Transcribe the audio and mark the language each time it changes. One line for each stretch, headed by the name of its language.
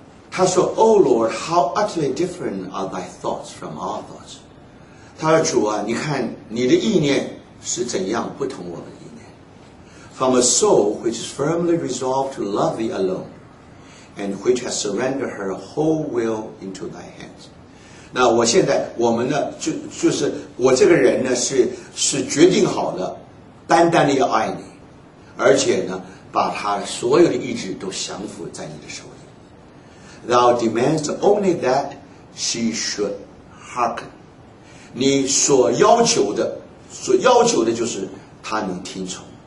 Chinese: 他说
English: ：“O Lord, how utterly different are thy thoughts from our thoughts？”
Chinese: 他说：“主啊，你看你的意念是怎样不同我们的意念。
English: ”From a soul which is firmly resolved to love thee alone, and which has surrendered her whole will into thy hands。
Chinese: 那我现在我们呢，就是我这个人呢是决定好了，单单的要爱你，而且呢把他所有的意志都降服在你的手里。
English: Thou demands only that she should hearken，
Chinese: 你所要求的，所要求的就是他能听从。